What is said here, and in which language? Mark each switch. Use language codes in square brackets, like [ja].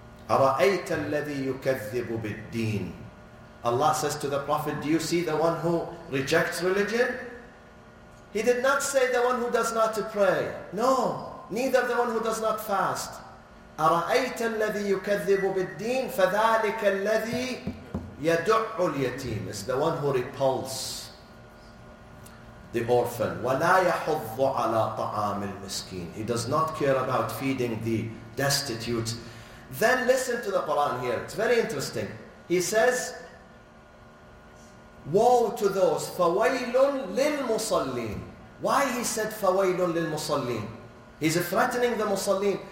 [ar] أَرَأَيْتَ الَّذِي يُكَذِّبُ بِالدِّينِ [en] Allah says to the Prophet, do you see the one who rejects religion? He did not say the one who does not pray. No, neither the one who does not fast. [ar] أَرَأَيْتَ الَّذِي يُكَذِّبُ بِالدِّينِ فَذَٰلِكَ الَّذِي يَدُعُّ الْيَتِيمِ [en] It's the one who repulses the orphan. [ar] وَلَا يَحُضُّ عَلَىٰ طَعَامِ الْمِسْكِينِ [en] He does not care about feeding the destitute. Then listen to the Quran here. It's very interesting. He says, woe to those, [ar] فَوَيْلٌ لِلْمُصَلِّينَ [en] Why he said, فَوَيْلٌ لِلْمُصَلِّينَ He's threatening the Muslim.